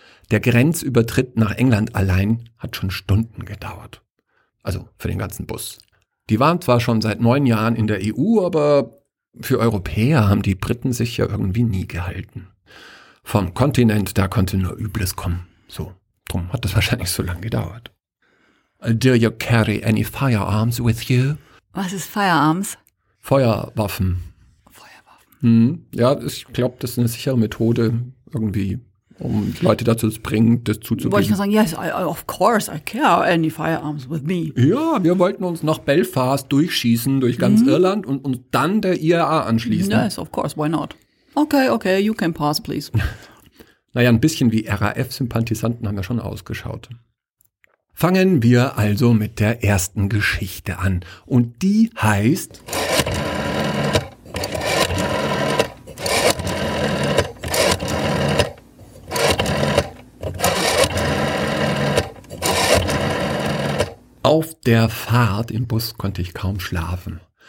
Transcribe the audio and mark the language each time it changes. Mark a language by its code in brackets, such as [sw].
[de] Der Grenzübertritt nach England allein hat schon Stunden gedauert. Also für den ganzen Bus. Die waren zwar schon seit 9 Jahren in der EU, aber für Europäer haben die Briten sich ja irgendwie nie gehalten. Vom Kontinent, da konnte nur Übles kommen. So, drum hat das wahrscheinlich so lange gedauert. [en] Do you carry any firearms with you? [de] Was ist Firearms? Feuerwaffen. Feuerwaffen. Ja, ich glaube, das ist eine sichere Methode, irgendwie, um Leute dazu zu bringen, das zuzugeben. Wollte ich nur sagen, [en] yes, of course, I carry any firearms with me. [de] Ja, wir wollten uns nach Belfast durchschießen, durch ganz Irland und uns dann der IRA anschließen. [en] Yes, of course, why not? Okay, okay, you can pass, please. [de] Naja, ein bisschen wie RAF-Sympathisanten haben wir schon ausgeschaut. Fangen wir also mit der ersten Geschichte an. Und die heißt Auf der Fahrt im Bus konnte ich kaum schlafen.